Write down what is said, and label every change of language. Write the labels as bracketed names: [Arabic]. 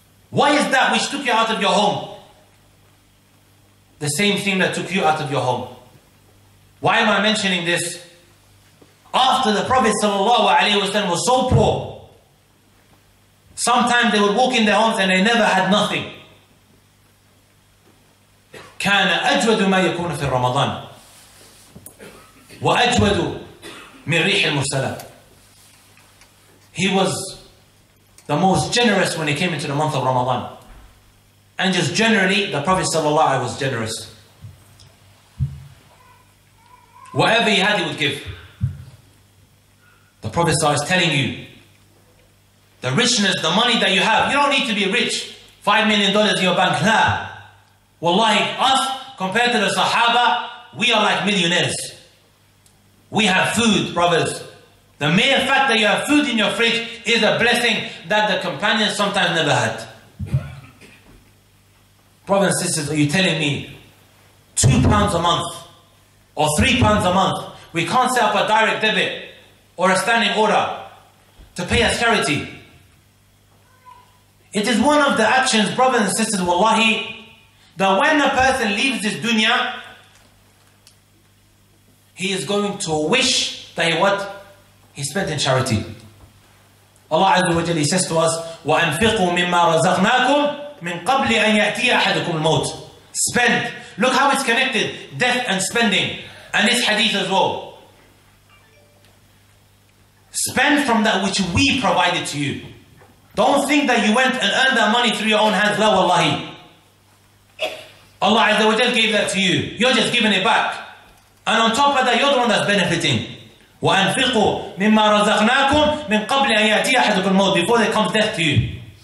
[English] Why is that which took you out of your home?" The same thing that took you out of your home. Why am I mentioning this? After the Prophet sallallahu alaihi wasallam was so poor, sometimes they would walk in their homes and they never had nothing. [Arabic] كان أجود ما يكون في رمضان وأجود من ريح المرسلة. [English] He was the most generous when he came into the month of Ramadan. And just generally, the Prophet sallallahu alaihi was generous. Whatever he had, he would give. The Prophet sallallahu alaihi is telling you, the richness, the money that you have, you don't need to be rich. $5 million in your bank, nah. Wallahi, us, compared to the Sahaba, we are like millionaires. We have food, brothers. The mere fact that you have food in your fridge is a blessing that the companions sometimes never had. Brothers and sisters, are you telling me £2 a month or £3 a month, we can't set up a direct debit or a standing order to pay as charity? It is one of the actions, brothers and sisters, wallahi, that when a person leaves this dunya, he is going to wish that he what? He spent in charity. [Arabic] Allah Azza wa Jalla [English] says to us, [Arabic] وَأَنْفِقُوا مِمَّا رَزَقْنَاكُمْ مِنْ قَبْلِ أَنْ يَأْتِيَ أَحَدُكُمْ الْمَوْتِ. [English] Spend. Look how it's connected. Death and spending. And this hadith as well. Spend from that which we provided to you. Don't think that you went and earned that money through your own hands. [Arabic] لا والله. [English] Allah Azza wa Jalla gave that to you. You're just giving it back. And on top of that, you're the one that's benefiting. [Arabic] وَأَنْفِقُوا مِمَّا رَزَقْنَاكُمْ مِنْ قَبْلِ أَنْ يَأْتِيَ أَحَدُكُمْ الْمَوْتِ [English] before there comes death to you.